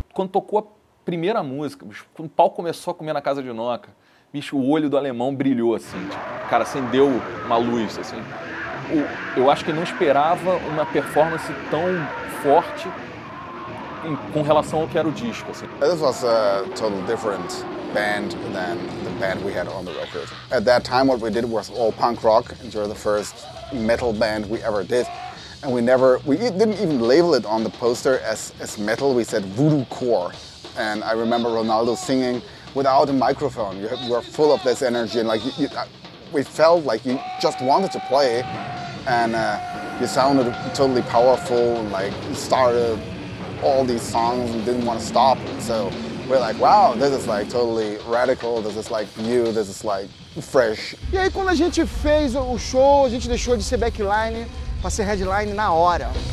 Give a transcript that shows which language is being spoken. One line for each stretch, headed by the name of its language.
Portuguese: Quando tocou a primeira música, bicho, o pau começou a comer na casa de Noca, bicho, o olho do alemão brilhou assim, tipo, o cara acendeu uma luz, assim. Eu acho que não esperava uma performance tão forte com relação ao que era o disco, assim.
English: This was a totally different band than the band we had on the record. At that time, what we did was all punk rock, and you're the first metal band we ever did. And we didn't even label it on the poster as metal. We said voodoo core. And I remember Ronaldo singing, without a microphone, you were full of this energy, and like we felt like you just wanted to play, and you sounded totally powerful, and like started all these songs and didn't want to stop. So we're like, wow, this is like totally radical. This is like new. This is like fresh.
Portuguese: E aí quando a gente fez o show, a gente deixou de ser backline para ser headline na hora.